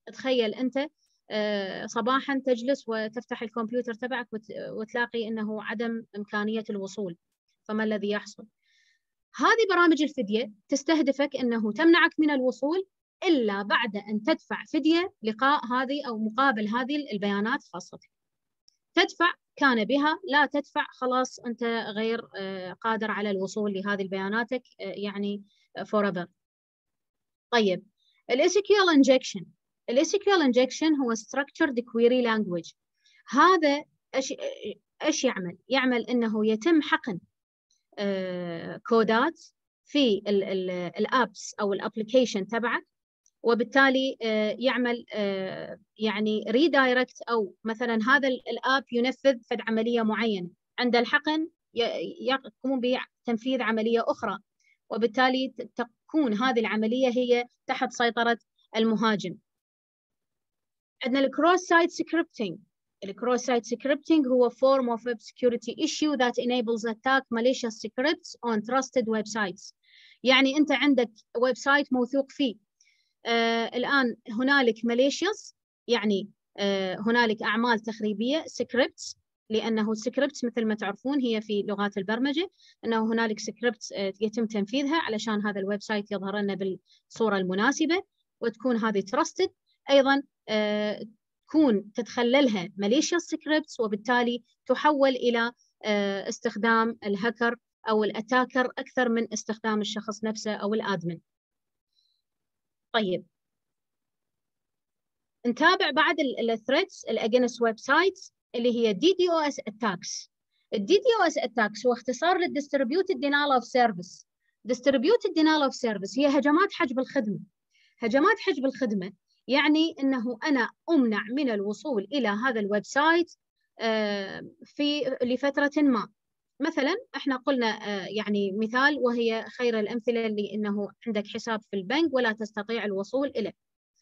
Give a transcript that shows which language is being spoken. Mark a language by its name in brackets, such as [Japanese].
[Arabic] تخيل أنت صباحا تجلس وتفتح الكمبيوتر تبعك وتلاقي أنه عدم إمكانية الوصول، فما الذي يحصل؟ هذه برامج الفدية تستهدفك أنه تمنعك من الوصول إلا بعد أن تدفع فدية لقاء هذه أو مقابل هذه البيانات خاصتك. تدفع كان بها، لا تدفع خلاص أنت غير قادر على الوصول لهذه البياناتك يعني forever. طيب الـ SQL Injection، الـ SQL Injection هو Structured Query Language. هذا إيش يعمل؟ يعمل أنه يتم حقن كودات في الـ Apps أو الـ Application تبعك، وبالتالي يعمل يعني redirect، أو مثلاً هذا الآب ينفذ فد عملية معينة، عند الحقن يقوم بتنفيذ عملية أخرى، وبالتالي تكون هذه العملية هي تحت سيطرة المهاجم. عندنا cross-site scripting. [English] Cross-site scripting [Arabic] هو [English] form of web security issue that enables attack malicious scripts on trusted websites. [Arabic] يعني أنت عندك ويب سايت موثوق فيه، الآن هنالك malicious يعني هنالك أعمال تخريبية scripts، لأنه scripts مثل ما تعرفون هي في لغات البرمجة أنه هنالك scripts يتم تنفيذها علشان هذا الويب سايت يظهر لنا بالصورة المناسبة وتكون هذه trusted. أيضا تكون تتخللها malicious scripts وبالتالي تحول إلى استخدام الهكر أو الأتاكر أكثر من استخدام الشخص نفسه أو الأدمن. طيب نتابع بعد الـ threats الـ [English] against websites [Arabic] اللي هي DDoS attacks. الـ DDoS attacks هو اختصار للـ distributed denial of service. Distributed denial of service هي هجمات حجب الخدمة. هجمات حجب الخدمة يعني أنه أنا أمنع من الوصول إلى هذا الويب سايت في لفترة ما. مثلاً إحنا قلنا يعني مثال وهي خير الأمثلة، لأنه عندك حساب في البنك ولا تستطيع الوصول إليه.